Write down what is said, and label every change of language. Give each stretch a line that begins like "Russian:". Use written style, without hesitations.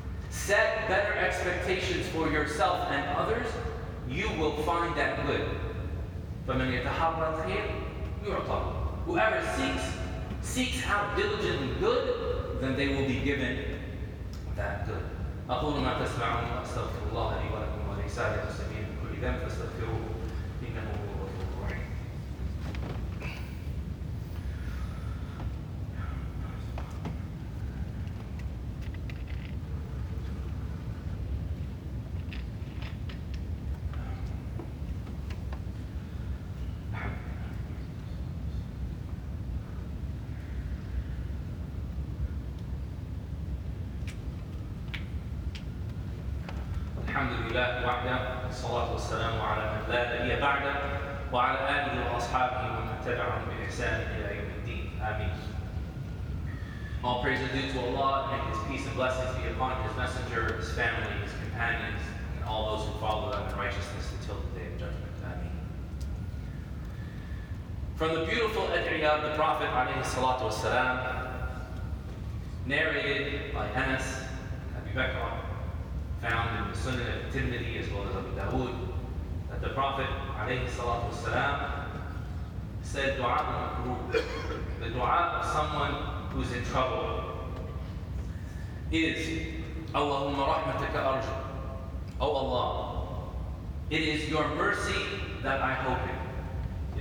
English: Set better expectations for yourself and others, you will find that good. Whoever seeks out diligently good, then they will be given that good.
Arabic: أقول ما تسمعون وأستغفر الله لي ولكم ولسائر المسلمين كل ذنب فاستغفروه إنه هو الغفور الرحيم. الحمد لله وحده والصلاة والسلام على من لا نبي بعده وعلى آله وأصحابه ومن تبعهم بإحسان إلى يوم الدين آمين.
English: All praise are due to Allah and His peace and blessings be upon His Messenger, His family, His companions, and all those who follow them in righteousness until the day of judgment. Ameen. From the beautiful Adriya of the Prophet عليه الصلاة والسلام, narrated by Anas, Abu Bakr, found in the Sunan of Tirmidhi as well as Abu Dawood, that the Prophet alayhi salatu wasalam said dua al-makruh, the dua of someone who's in trouble, is Allahumma rahmataka arju, O Allah, it is your mercy that I hope in.